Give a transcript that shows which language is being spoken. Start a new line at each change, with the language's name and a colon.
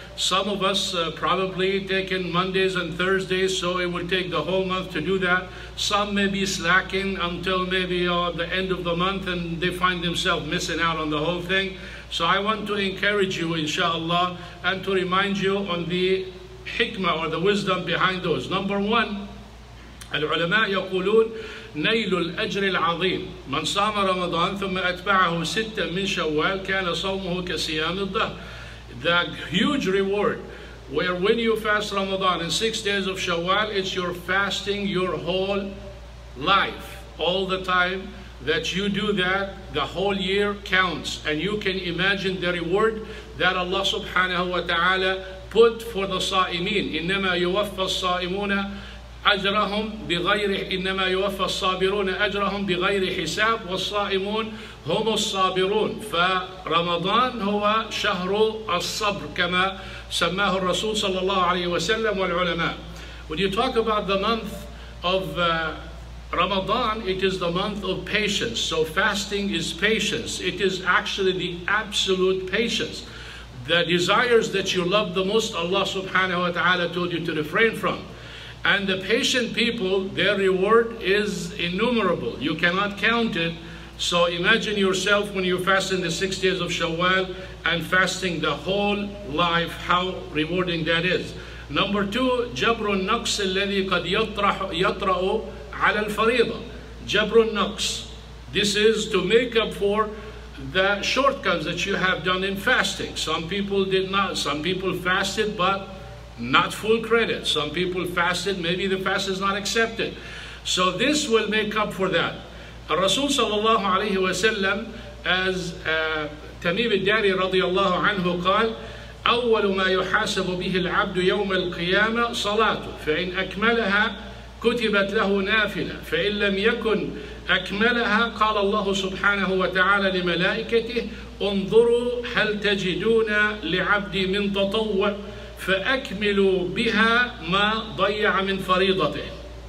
English: Some of us probably taken Mondays and Thursdays, so it will take the whole month to do that. Some may be slacking until maybe the end of the month and they find themselves missing out on the whole thing. So I want to encourage you, inshallah, and to remind you on the hikmah or the wisdom behind those. Number one,
Arabic: العلماء يقولون نيل الأجر العظيم من صام رمضان ثم أتبعه ستة من شوال كان صومه كصيام الدهر.
English: The huge reward, where when you fast Ramadan in 6 days of Shawwal, it's your fasting your whole life, all the time that you do that, the whole year counts. And you can imagine the reward that Allah subhanahu wa ta'ala put for the صائمين.
Arabic: إنما يوفى الصائمون أجرهم بغير إنما يوفى الصابرون أجرهم بغير حساب والصائمون هم الصابرون. فرمضان هو شهر الصبر كما سماه الرسول صلى الله عليه وسلم والعلماء.
English: When you talk about the month of Ramadan, it is the month of patience. So fasting is patience. It is actually the absolute patience. The desires that you love the most, Allah subhanahu wa ta'ala told you to refrain from. And the patient people, their reward is innumerable. You cannot count it. So imagine yourself when you fast in the 6 days of Shawwal and fasting the whole life, how rewarding that is. Number two,
Arabic: جبر النقص الذي قد يطرأ على الفريضة. جبر النقص.
English: This is to make up for the shortcomings that you have done in fasting. Some people did not. Some people fasted, but not full credit. Some people fasted, maybe the fast is not accepted. So this will make up for that.
Arabic: Rasul sallallahu alayhi wa sallam, as Tamim al-Dari radiallahu anhu qal, أول ما يحاسب به العبد يوم القيامة صلاته فإن أكملها كتبت له نافلة فإن لم يكن أكملها قال الله سبحانه وتعالى لملائكته انظروا هل تجدون لعبدي من تطوع فأكملوا بها ما ضيع من فريضته.